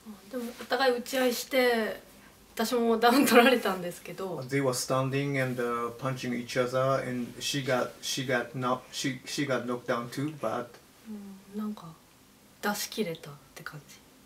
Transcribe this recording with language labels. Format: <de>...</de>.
<ja>でもお互い打ち合いして、私もダウン取られたんですけど。</ja> <en>They were standing and punching each other, and she got knocked down too, but.</en> <ja>なんか出し切れたって感じ。</ja>